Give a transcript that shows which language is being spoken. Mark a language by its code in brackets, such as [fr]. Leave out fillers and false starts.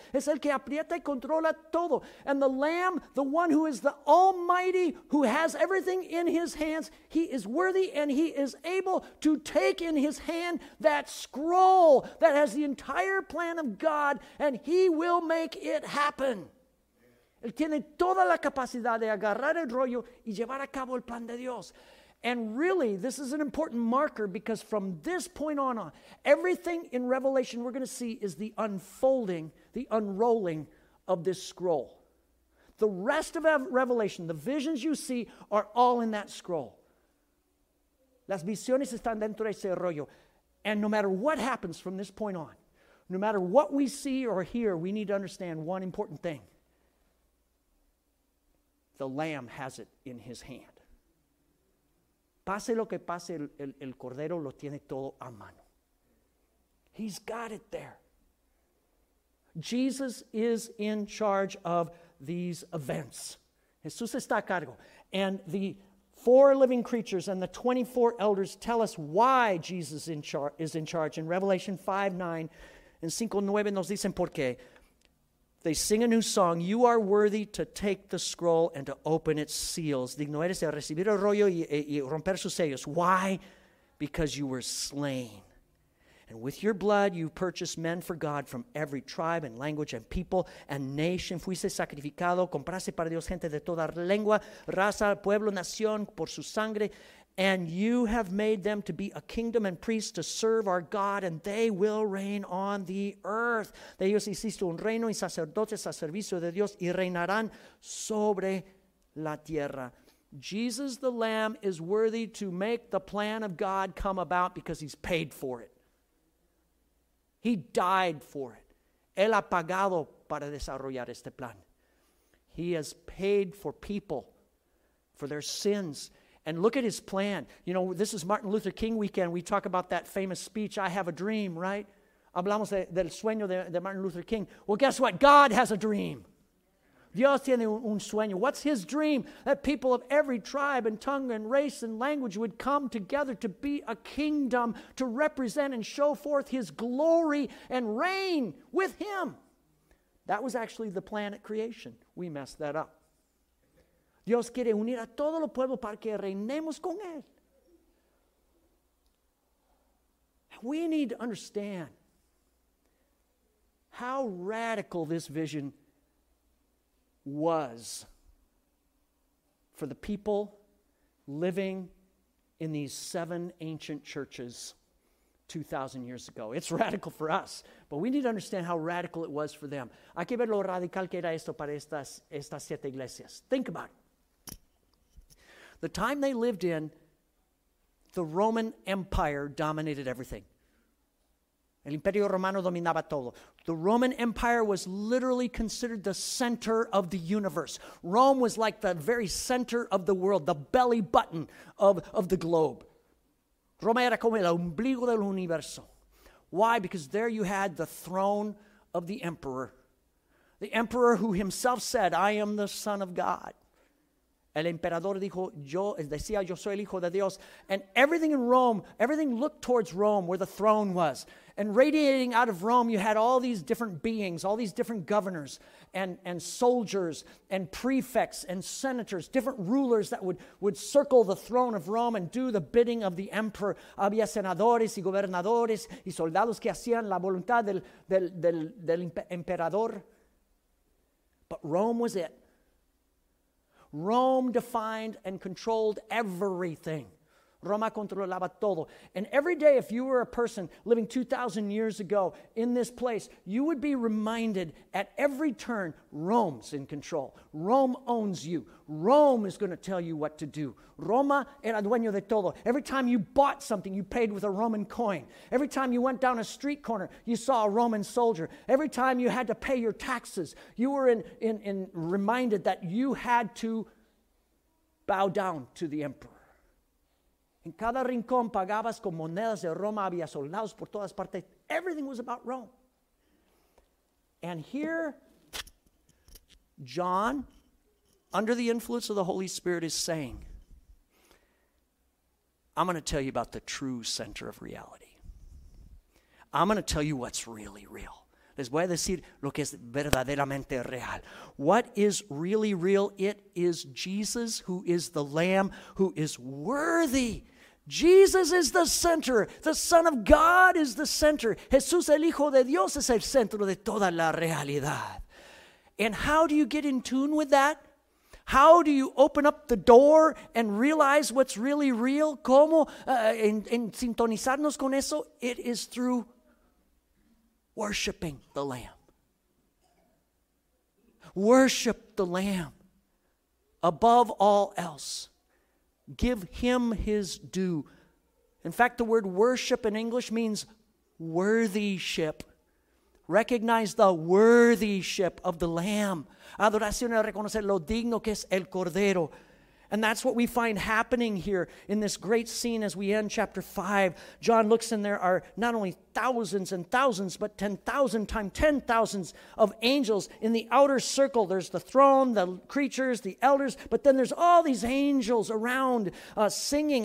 [es] Es el que aprieta y controla todo. [en] And the Lamb, the one who is the Almighty, who has everything in his hands, he is worthy and he is able to take in his hand that scroll that has the entire plan of God, and he will make it happen. [es] Él tiene toda la capacidad de agarrar el rollo y llevar a cabo el plan de Dios. [en] And really, this is an important marker because from this point on, everything in Revelation we're going to see is the unfolding, the unrolling of this scroll. The rest of Revelation, the visions you see, are all in that scroll. [es] Las visiones están dentro de ese rollo. [en] And no matter what happens from this point on, no matter what we see or hear, we need to understand one important thing. The Lamb has it in his hand. [es] Pase lo que pase, el Cordero lo tiene todo a mano. [en] He's got it there. Jesus is in charge of these events. [es] Jesús está a cargo. [en] And the four living creatures and the 24 elders tell us why Jesus is in charge. In Revelation 5:9 and 5:9 [es] nos dicen por qué. [en] They sing a new song. You are worthy to take the scroll and to open its seals. [es] Digno eres de recibir el rollo y romper sus sellos. [en] Why? Because you were slain. And with your blood you purchased men for God from every tribe and language and people and nation. [es] Fuiste sacrificado, compraste para Dios gente de toda lengua, raza, pueblo, nación, por su sangre. [en] And you have made them to be a kingdom and priests to serve our God, and they will reign on the earth. [es] De ellos hiciste un reino y sacerdotes a servicio de Dios y reinarán sobre la tierra. [en] Jesus the Lamb is worthy to make the plan of God come about because he's paid for it. He died for it. [es] Él ha pagado para desarrollar este plan. [en] He has paid for people, for their sins. And look at his plan. You know, this is Martin Luther King weekend. We talk about that famous speech, I have a dream, right? [es] Hablamos del sueño de Martin Luther King. [en] Well, guess what? God has a dream. [es] Dios tiene un sueño. [en] What's his dream? That people of every tribe and tongue and race and language would come together to be a kingdom to represent and show forth his glory and reign with him. That was actually the plan at creation. We messed that up. [es] Dios quiere unir a todo el pueblo para que reinemos con él. [en] We need to understand how radical this vision was for the people living in these seven ancient churches 2,000 years ago. It's radical for us, but we need to understand how radical it was for them. [es] Hay que ver lo radical que era esto para estas siete iglesias. [en] Think about it. The time they lived in, the Roman Empire dominated everything. [es] El Imperio Romano dominaba todo. [en] The Roman Empire was literally considered the center of the universe. Rome was like the very center of the world, the belly button of the globe. [es] Roma era como el ombligo del universo. [en] Why? Because there you had the throne of the emperor. The emperor who himself said, I am the Son of God. [es] El emperador dijo, yo soy el hijo de Dios. [en] And everything in Rome, everything looked towards Rome where the throne was. And radiating out of Rome, you had all these different beings, all these different governors and soldiers and prefects and senators, different rulers that would circle the throne of Rome and do the bidding of the emperor. [es] Había senadores y gobernadores y soldados que hacían la voluntad del emperador. [en] But Rome was it. Rome defined and controlled everything. [es] Roma controlaba todo. [en] And every day, if you were a person living 2,000 years ago in this place, you would be reminded at every turn, Rome's in control. Rome owns you. Rome is going to tell you what to do. [es] Roma era dueño de todo. [en] Every time you bought something, you paid with a Roman coin. Every time you went down a street corner, you saw a Roman soldier. Every time you had to pay your taxes, you were in reminded that you had to bow down to the emperor. [es] En cada rincón pagabas con monedas de Roma, había soldados por todas partes. [en] Everything was about Rome. And here, John, under the influence of the Holy Spirit, is saying, I'm going to tell you about the true center of reality. I'm going to tell you what's really real. [es] Les voy a decir lo que es verdaderamente real. [en] What is really real? It is Jesus, who is the Lamb, who is worthy. Jesus is the center. The Son of God is the center. [es] Jesús, el Hijo de Dios, es el centro de toda la realidad. [en] And how do you get in tune with that? How do you open up the door and realize what's really real? [es] ¿Cómo en sintonizarnos con eso? [en] It is through worshiping the Lamb. Worship the Lamb above all else. Give him his due. In fact, the word worship in English means worthyship. Recognize the worthyship of the Lamb. [es] Adoración es reconocer lo digno que es el Cordero. [en] And that's what we find happening here in this great scene as we end chapter 5. John looks and there are not only thousands and thousands, but 10,000 times 10,000 of angels in the outer circle. There's the throne, the creatures, the elders, but then there's all these angels around singing.